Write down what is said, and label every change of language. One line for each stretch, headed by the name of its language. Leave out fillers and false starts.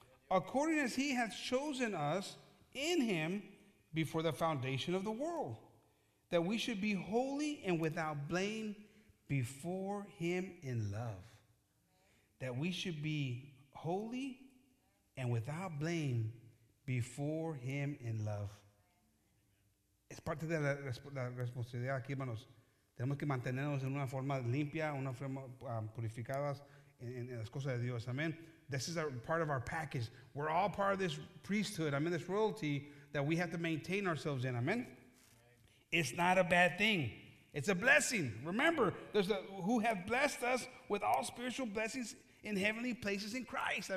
English: According as he hath chosen us in him before the foundation of the world, that we should be holy and without blame before him in love. That we should be holy and without blame before him in love.
Spanish: Es parte de la responsabilidad aquí, hermanos. Tenemos que mantenernos en una forma limpia, una forma purificadas en las cosas de Dios.
English: Amen. This is part of our package. We're all part of this priesthood, I mean, this royalty that we have to maintain ourselves in. Amen. It's not a bad thing. It's a blessing. Remember, there's a who have blessed us with all spiritual blessings in heavenly places in Christ.